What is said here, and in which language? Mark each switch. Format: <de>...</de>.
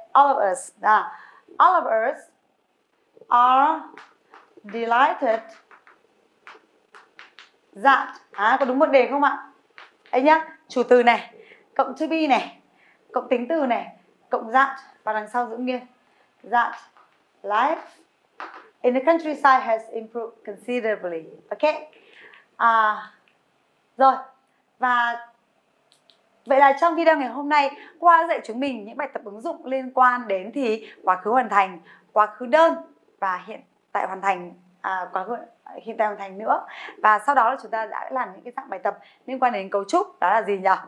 <en>All of us. All of us are delighted that.</en> <vi>Có đúng một đề không ạ? Ấy nhá, chủ từ này, cộng to be này, cộng tính từ này, cộng that, và đằng sau giữ nguyên.</vi> <en>That life in the countryside has improved considerably. Okay.</en> <vi>Rồi. Và vậy là trong video ngày hôm nay, Khoa dạy chúng mình những bài tập ứng dụng liên quan đến thì quá khứ hoàn thành, quá khứ đơn và hiện tại hoàn thành, quá khứ hiện tại hoàn thành nữa. Và sau đó là chúng ta đã làm những cái dạng bài tập liên quan đến cấu trúc, đó là gì nhỉ?</vi>